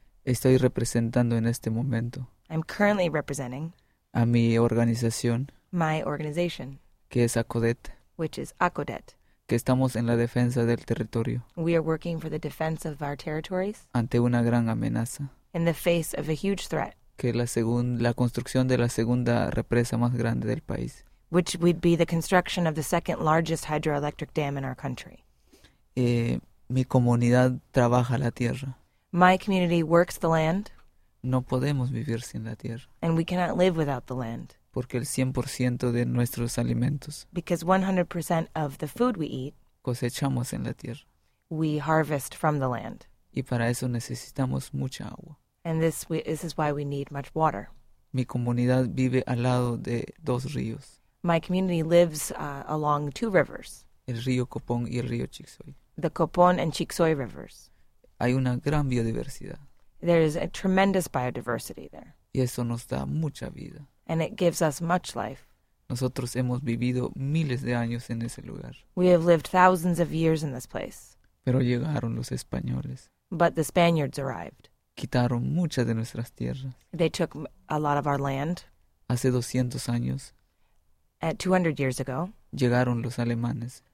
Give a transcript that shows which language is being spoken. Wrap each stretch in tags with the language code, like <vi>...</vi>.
<es>Estoy representando en este momento.</es> <en>I'm currently representing.</en> <es>A mi organización.</es> <en>My organization.</en> <es>Que es ACODET.</es> <en>Which is ACODET.</en> <es>Que estamos en la defensa del territorio.</es> <en>We are working for the defense of our territories.</en> <es>Ante una gran amenaza.</es> <en>In the face of a huge threat.</en> <es>Que es la construcción de la segunda represa más grande del país.</es> <en>Which would be the construction of the second largest hydroelectric dam in our country.</en> <es>Mi comunidad trabaja la tierra.</es> <en>My community works the land.</en> <es>No podemos vivir sin la tierra.</es> <en>And we cannot live without the land.</en> <es>Porque el 100% de nuestros alimentos.</es> <en>Because 100% of the food we eat.</en> <es>Cosechamos en la tierra.</es> <en>We harvest from the land.</en> <es>Y para eso necesitamos mucha agua.</es> <en>And this is why we need much water.</en> <es>Mi comunidad vive al lado de dos ríos.</es> <en>My community lives along two rivers.</en> <es>El río Copón y el río Chixoy.</es> <en>The Copón and Chixoy rivers.</en> <es>Hay una gran biodiversidad.</es> <en>There is a tremendous biodiversity there.</en> <es>Y eso nos da mucha vida.</es> <en>And it gives us much life.</en> <es>Nosotros hemos vivido miles de años en ese lugar.</es> <en>We have lived thousands of years in this place.</en> <es>Pero llegaron los españoles.</es> <en>But the Spaniards arrived.</en> <es>Quitaron muchas de nuestras tierras.</es> <en>They took a lot of our land.</en> <es>Hace 200 años.</es> <en>At 200 years ago,</en> <es>llegaron los alemanes.</es>